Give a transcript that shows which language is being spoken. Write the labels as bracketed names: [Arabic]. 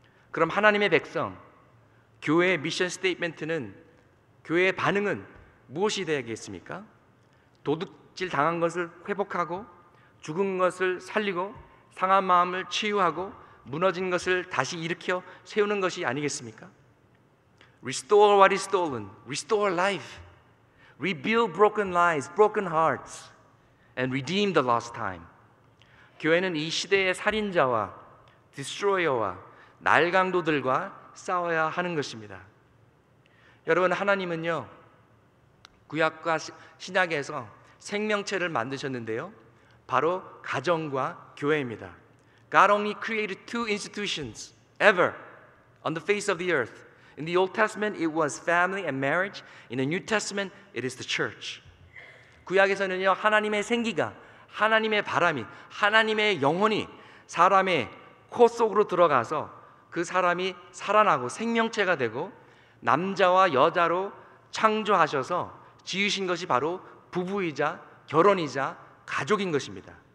[Korean] 그럼 하나님의 백성, 교회의 미션 스테이트먼트는, 교회의 반응은 무엇이 되겠습니까? 도둑질 당한 것을 회복하고 죽은 것을 살리고 상한 마음을 치유하고 무너진 것을 다시 일으켜 세우는 것이 아니겠습니까? [English] Restore what is stolen, restore life, rebuild broken lives, broken hearts, and redeem the lost time. [Korean] 교회는 이 시대의 살인자와 destroyer와 날강도들과 싸워야 하는 것입니다. 여러분, 하나님은요, 구약과 신약에서 생명체를 만드셨는데요, 바로 가정과 교회입니다. [English] God only created two institutions ever on the face of the earth. In the Old Testament, it was family and marriage. In the New Testament, it is the church. [Korean] 구약에서는요, 하나님의 생기가, 하나님의 바람이, 하나님의 영혼이 사람의 코 속으로 들어가서 그 사람이 살아나고 생명체가 되고 남자와 여자로 창조하셔서 지으신 것이 바로 부부이자 결혼이자 가족인 것입니다.